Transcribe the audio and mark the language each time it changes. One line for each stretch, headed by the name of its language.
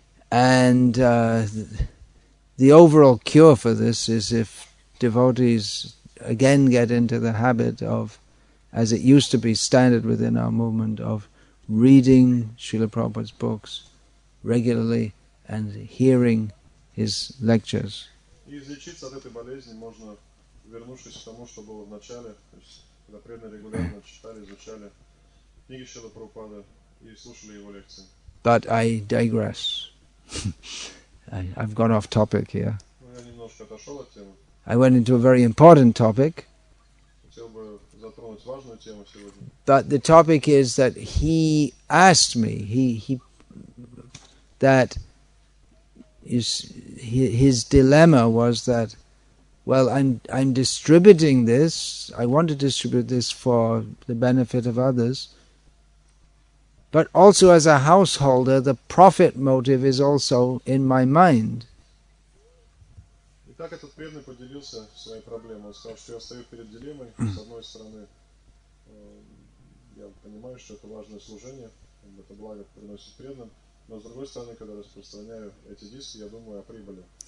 English: And the overall cure for this is if devotees again get into the habit of, as it used to be standard within our movement, of reading Srila Prabhupada's books regularly and hearing his lectures.
Russian: И излечиться от этой болезни можно, вернувшись к тому, что было в начале, то есть когда преданно регулярно читали, изучали книги Шрила Прабхупады и слушали его лекции.
English: But I digress. I've gone off topic here.
Russian: Ну, я немножко отошел от темы.
English: I went into a very important topic.
Russian: Хотел бы затронуть важную тему сегодня.
English: But the topic is that he asked me, his dilemma was that, well, I'm distributing this. I want to distribute this for the benefit of others. But also as a householder, the profit motive is also in my mind.
Russian: И так этот преданный поделился своей проблемой. Он сказал, что я стою перед дилеммой. С одной стороны, я понимаю, что это важное служение, это благо приносит преданным. Но с другой стороны, когда распространяю эти диски, я думаю о прибыли.